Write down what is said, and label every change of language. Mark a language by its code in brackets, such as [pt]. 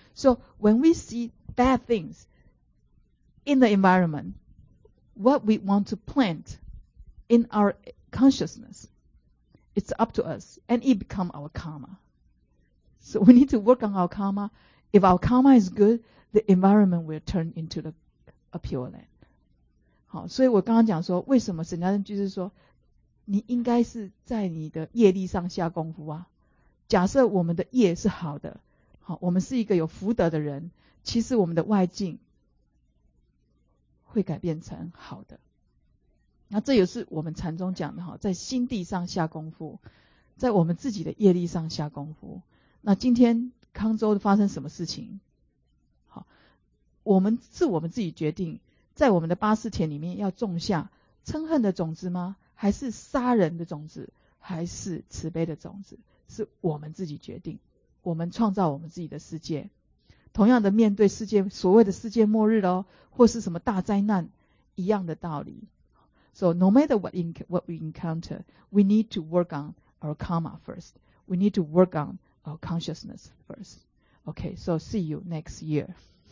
[en] So when we see bad things in the environment, what we want to plant in our consciousness, it's up to us, and it becomes our karma. So we need to work on our karma. If our karma is good, the environment will turn into a pure land. [zh] 好，所以我刚刚讲说，为什么沈家庄居士说，你应该是在你的业力上下功夫啊？假设我们的业是好的，好，我们是一个有福德的人，其实我们的外境会改变成好的。那这也是我们禅宗讲的哈，在心地上下功夫，在我们自己的业力上下功夫。那今天康州发生什么事情？好，我们是我们自己决定。在我们的八识田里面要种下嗔恨的种子吗？还是杀人的种子？还是慈悲的种子？是我们自己决定，我们创造我们自己的世界。同样的，面对世界所谓的世界末日哦，或是什么大灾难，一样的道理。 [en] So no matter what we encounter, we need to work on our karma first. We need to work on our consciousness first. Okay, so see you next year.